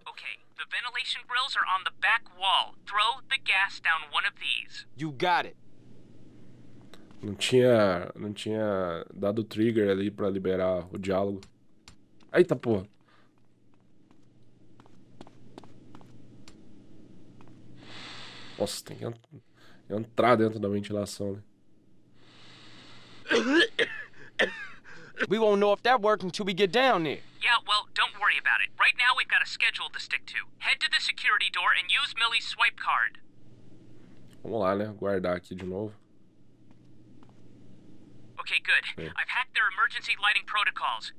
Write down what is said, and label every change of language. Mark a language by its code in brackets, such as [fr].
[en] Okay, the ventilation grills are on the back wall. Throw the gas down one of these. You got it. [pt] Não tinha dado trigger ali pra liberar o diálogo. Eita porra! Nossa, tem que entrar dentro da ventilação, né? [en] We won't know if that worked until we get down there. Yeah, well, don't worry about it. Right now we've got a schedule to stick to. Head to the security door and use Millie's swipe card. [pt] Vamos lá, né? Guardar aqui de novo. [en] Okay, good. I've hacked their emergency lighting protocols.